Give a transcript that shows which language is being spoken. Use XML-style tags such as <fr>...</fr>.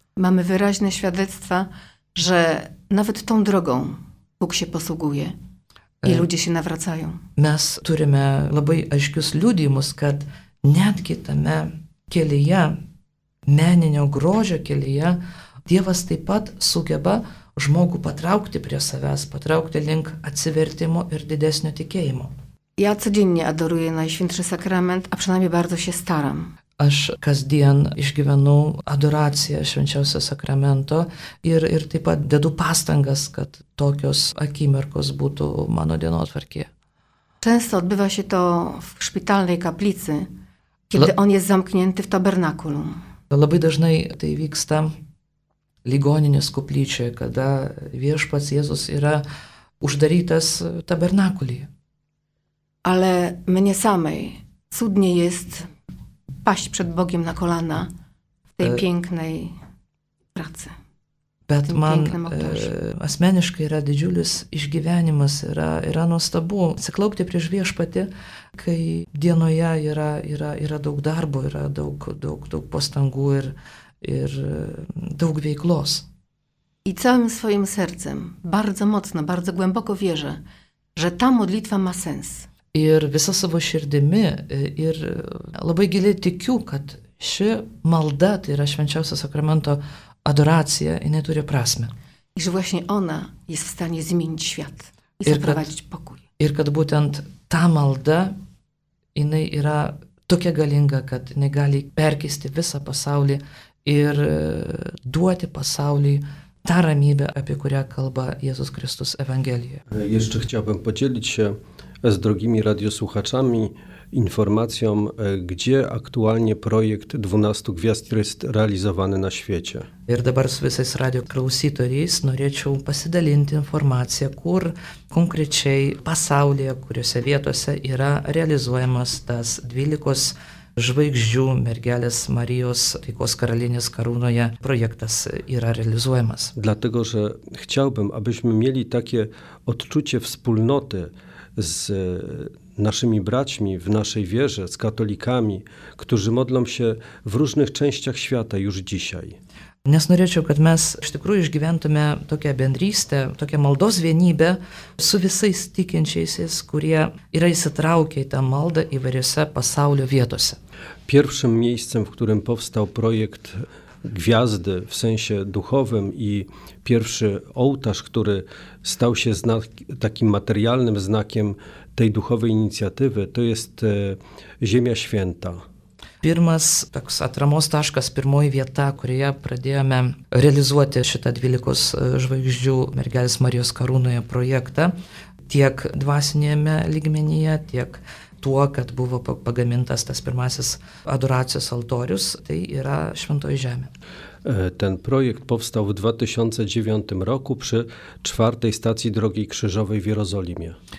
<pl>Mamy wyraźne świadectwa, że nawet tą drogą Bóg się posługuje i ludzie się nawracają.</pl> <lt>Mes turime labai aiškius liudijimus, kad netgi tame kelyje, meninio grožio kelyje, Dievas taip pat sugeba žmogų patraukti prie savęs, patraukti link atsivertimo ir didesnio tikėjimo.</lt> <pl>Ja codziennie adoruję Najświętszy Sakrament, a przynajmniej bardzo się staram.</pl> <lt>Aš kasdien išgyvenu adoraciją švenčiausio sakramento ir taip pat dedu pastangas, kad tokios akimirkos būtų mano dienotvarkėje.</lt> <pl>Często odbywa się to w szpitalnej kaplicy, kiedy on jest zamknięty w tabernakulum.</pl> <lt>Labai dažnai tai vyksta ligoninės koplyčioje, kada Viešpats Jėzus yra uždarytas tabernakulyje.</lt> <pl>Ale mnie samej cudnie jest paść przed Bogiem na kolana w tej pięknej pracy.</pl> <lt>Bet man asmeniškai yra didžiulis išgyvenimas, yra nuostabu atsiklaupti prieš Viešpatį, kai dienoje yra daug darbo, yra daug pastangų ir daug veiklos.</lt> <pl>I całym swoim sercem bardzo mocno, bardzo głęboko wierzę, że ta modlitwa ma sens.</pl> <lt>ir visą savo širdimi ir labai giliai tikiu, kad ši malda, tai yra švenčiausio sakramento adoracija, jinai turi prasmę.</lt> <pl>Iš vlastne ona jest w stanie zmienić świat i zaprowadzić pokój.</pl> <lt>Ir kad būtent ta malda, jinai yra tokia galinga, kad negali perkisti visą pasaulį ir duoti pasauliui tą ramybę, apie kurią kalba Jėzus Kristus Evangelijoje.</lt> <pl>Jeszcze chciałbym podzielić się z drogimi radiosłuchaczami informacją, gdzie aktualnie projekt 12 gwiazd jest realizowany na świecie.</pl> <lt>Ir dabar su visais radio klausytoriais norėčiau pasidalinti informaciją, kur konkrečiai pasaulyje, kuriuose vietose yra realizuojamas tas 12 žvaigždžių mergelės Marijos taikos karalienės karūnoje projektas yra realizuojamas.</lt> <pl>Dlatego, że chciałbym, abyśmy mieli takie odczucie wspólnoty z naszymi braćmi w naszej wierze, z katolikami, którzy modlą się w różnych częściach świata już dzisiaj.</pl> <lt>Nes norėčiau, kad mes iš tikrųjų išgyventume tokią bendrystę, tokią maldos vienybę su visais tikinčiaisiais, kurie yra įsitraukę į tą maldą įvairiose pasaulio vietose.</lt> <pl>Pierwszym miejscem, w którym powstał projekt gwiazdy w sensie duchowym i pierwszy ołtarz, który stał się takim materialnym znakiem tej duchowej inicjatywy, to jest Ziemia Święta.</pl> <lt>Pirmas toks atramos taškas, pirmoji vieta, kurioje pradėjome realizuoti šitą 12 žvaigždžių mergelės Marijos karūnoje projektą, tiek dvasinėme lygmenyje, tiek tuo, kad buvo pagamintas tas pirmasis adoracijos altorius, tai yra Šventoji Žemė.</lt> <pl>Ten projekt powstał w 2009 roku przy czwartej stacji drogi krzyżowej w Jerozolimie.</pl>